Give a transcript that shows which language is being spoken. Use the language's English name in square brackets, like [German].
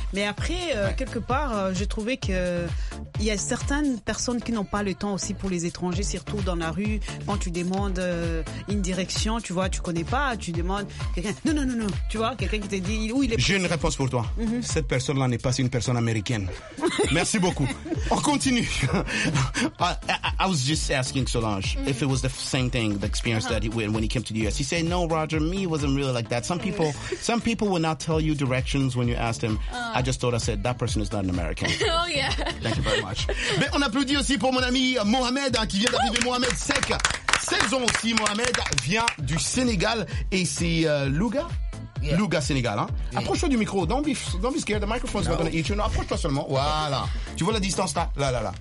[French] Mais après, quelque part, j'ai trouvé que il y a certaines personnes qui n'ont pas le temps aussi pour les étrangers, surtout dans la rue. Quand tu demandes une direction, tu vois, tu connais pas, tu demandes quelqu'un. Non. Tu vois, quelqu'un qui te dit où il est. J'ai une réponse pour toi. Mm-hmm. Cette personne-là n'est pas une personne américaine. Merci beaucoup. On continue. [English] I was just asking Solange if it was the same thing, the experience that when he came to the US. He said, no, Roger, me wasn't really like that. Some people will not tell you directions when you ask them. I just thought, I said, that person is not an American. Oh, yeah. Thank you very much. [French] Mais on applaudit aussi pour mon ami Mohamed, hein, qui vient d'arriver. Woo! Mohamed Sek. 16 ans aussi, Mohamed vient du Sénégal. Et c'est Louga. Yeah. Louga, Sénégal. Hein. Yeah. Approche-toi du micro. [English] Don't be scared. The microphone's not going to eat you. [French] Non, approche-toi seulement. Voilà. Tu vois la distance là.